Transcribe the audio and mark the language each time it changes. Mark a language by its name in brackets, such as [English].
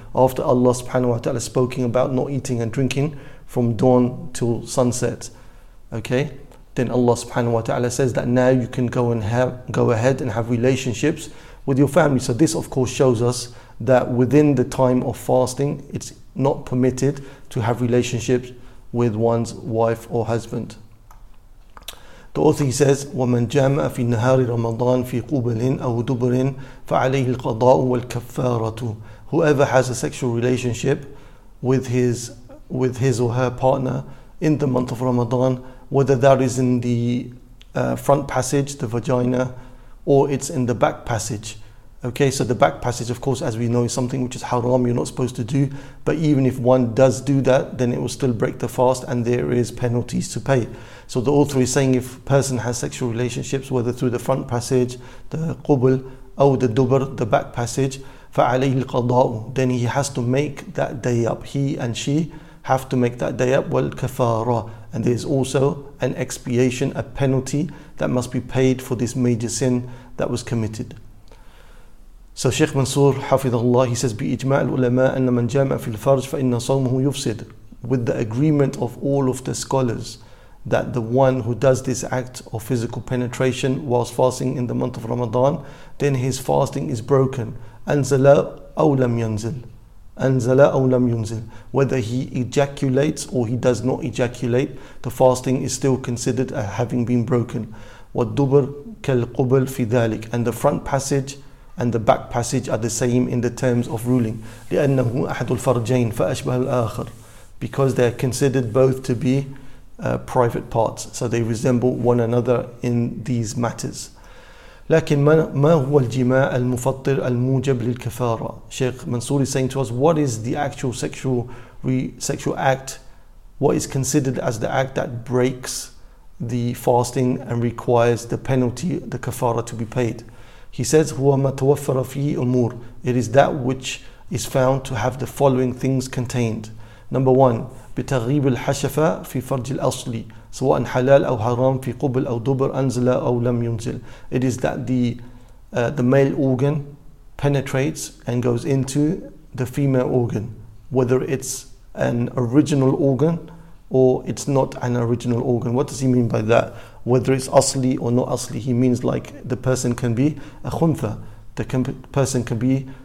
[English] After Allah subhanahu wa ta'ala spoken about not eating and drinking from dawn till sunset, okay, then Allah subhanahu wa ta'ala says that now you can go and go ahead and have relationships with your family. So this of course shows us that within the time of fasting, it's not permitted to have relationships with one's wife or husband. The author, he says, [Arabic] وَمَنْ جَامَعَ فِي النَّهَارِ رَمَضَانِ فِي قُبَلٍ أَوْ دُبْرٍ فَعَلَيْهِ الْقَضَاءُ وَالْكَفَّارَةُ. [English] Whoever has a sexual relationship with his or her partner in the month of Ramadan, whether that is in the front passage, the vagina, or it's in the back passage. Okay, so the back passage, of course, as we know, is something which is haram, you're not supposed to do. But even if one does do that, then it will still break the fast and there is penalties to pay. So the author is saying if a person has sexual relationships, whether through the front passage, the qubul, or the dubr, the back passage, [Arabic] فَعَلَيْهِ الْقَضَاءُ, [English] then he has to make that day up. He and she have to make that day up. [Arabic] وَالْكَفَارَ, [English] and there's also an expiation, a penalty that must be paid for this major sin that was committed. So Sheikh Mansur, hafidhullah, he says, [Arabic] بِإِجْمَعِ الْعُلَمَاءَ أَنَّ مَنْ جَامَعَ فِي الْفَرْجِ فَإِنَّ صَوْمُهُ يُفْسِدْ. [English] With the agreement of all of the scholars, that the one who does this act of physical penetration whilst fasting in the month of Ramadan, then his fasting is broken. [Arabic] أَنْزَلَ أَوْ لَمْ يَنْزِلْ. أَنْزَلَ أَوْ لَمْ يُنْزِلْ. [English] Whether he ejaculates or he does not ejaculate, the fasting is still considered as having been broken. [Arabic] وَالدُّبْرْ كَالْقُبْلْ فِي ذَلِكْ. [English] And the front passage and the back passage are the same in the terms of ruling. [Arabic] لِأَنَّهُ أَحَدُ الْفَرْجَيْنِ فَأَشْبَهُ الْآخَرِ. [English] Because they are considered both to be private parts, so they resemble one another in these matters. [Arabic] لكن ما هو الجماع المفطر الموجب للكفارة. [English] Sheikh Mansour is saying to us, what is the actual sexual act, what is considered as the act that breaks the fasting and requires the penalty, the kafara, to be paid? He says, [Arabic] هو ما توفر فيه أمور. [English] It is that which is found to have the following things contained. Number one, [Arabic] بتغريب الحشفة في فرج الأصلي سواء حلال أو حرام في قبل أو دبر أنزل أو لم ينزل. [English] It is that the male organ penetrates and goes into the female organ, whether it's an original organ or it's not an original organ. What does he mean by that? Whether it's asli or not asli, he means like the person can be a khuntha, the person can be